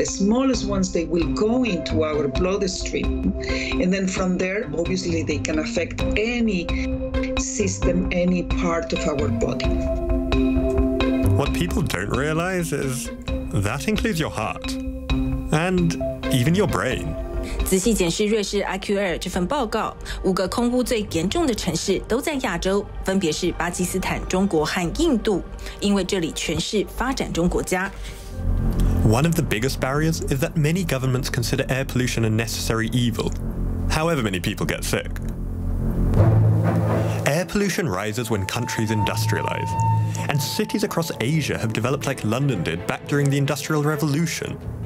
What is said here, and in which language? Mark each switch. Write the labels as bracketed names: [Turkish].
[English] The smallest ones, they will go into our bloodstream. And then from there, obviously, they can affect any system, any part of our body. What people don't realize is that includes your heart and even your brain. [Chinese] 仔细检视瑞士 IQAir 这份报告，五个空污最严重的城市都在亚洲，分别是巴基斯坦、中国和印度，因为这里全是发展中国家。 [English] One of the biggest barriers is that many governments consider air pollution a necessary evil, however many people get sick. Air pollution rises when countries industrialize, and cities across Asia have developed like London did back during the Industrial Revolution.